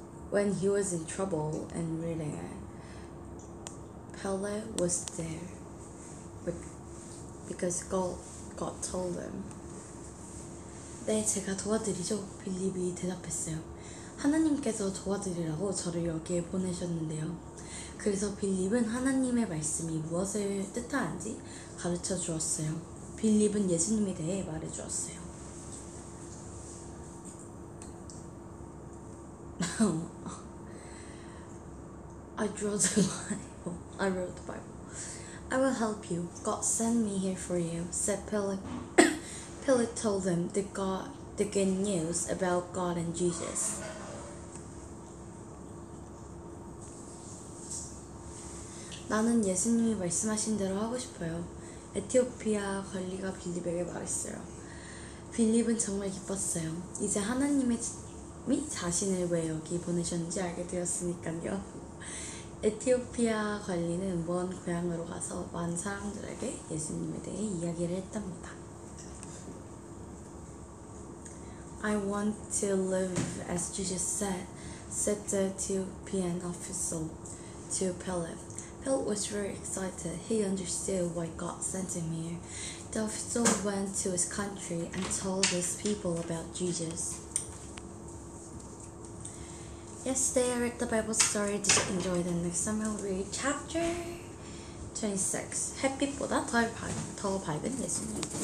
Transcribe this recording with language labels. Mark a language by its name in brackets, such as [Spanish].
[English] When he was in trouble and reading it, Philip was there because God told him. [Korean] 네, 제가 도와드리죠. 빌립이 대답했어요. 하나님께서 도와드리라고 저를 여기에 보내셨는데요. 그래서 빌립은 하나님의 말씀이 무엇을 뜻하는지 가르쳐 주었어요. 빌립은 예수님에 대해 말해 주었어요. [English] I wrote the Bible. I will help you. God sent me here for you, said Philip. Philip told them the good news about God and Jesus. [Korean] 나는 예수님이 말씀하신 대로 하고 싶어요. 에티오피아 관리가 빌립에게 말했어요. 빌립은 정말 기뻤어요. 이제 하나님의 마음이 자신을 왜 여기 보내셨는지 알게 되었으니까요. 에티오피아 관리는 먼 고향으로 가서 많은 사람들에게 예수님에 대해 이야기를 했답니다. [English] I want to live as Jesus said, said the Ethiopian official to Philip. Philip was very excited. He understood why God sent him here. The official went to his country and told his people about Jesus. Yesterday I read the Bible story. Did you enjoy the next time I'll read chapter 26. [Korean] 햇빛보다 더 밝은 예수님.